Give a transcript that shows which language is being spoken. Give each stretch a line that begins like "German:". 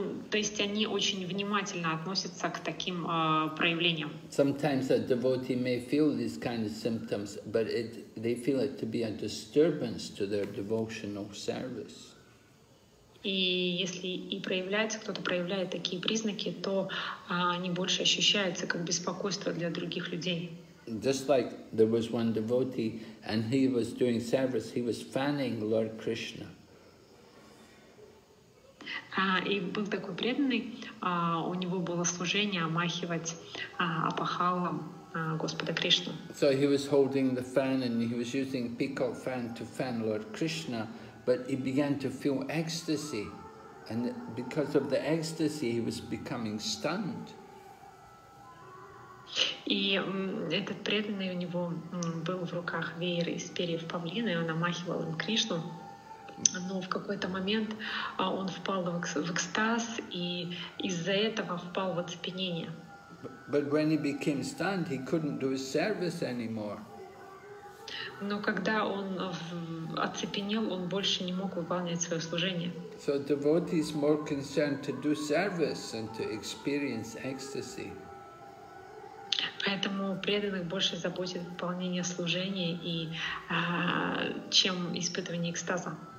Russian: То есть они очень внимательно относятся к таким проявлениям.
English: Sometimes a devotee may feel these kind of symptoms, but they feel it to be a disturbance to their devotional service.
Russian: И если и проявляется, кто-то проявляет такие признаки, то они больше ощущаются как беспокойство для других людей.
English: Just like there was one devotee, and he was doing service, he was fanning Lord Krishna.
Russian: И был такой преданный, у него было служение махивать опахалом Господа Кришну.
English: So he was holding the fan and he was using peacock fan to fan Lord Krishna, but he began to feel ecstasy, and because of the ecstasy he was becoming stunned.
Russian: И этот преданный у него был в руках веер из перьев павлина, и он омахивал им Кришну. Но в какой-то момент он впал в экстаз, и из-за этого впал в оцепенение.
English: But when he became stunned, he couldn't do his service anymore.
Russian: Но когда он оцепенел, он больше не мог выполнять свое служение.
English: So devotee is more concerned to do service and to experience ecstasy.
Russian: Поэтому преданных больше заботит выполнение служения и чем испытывание экстаза.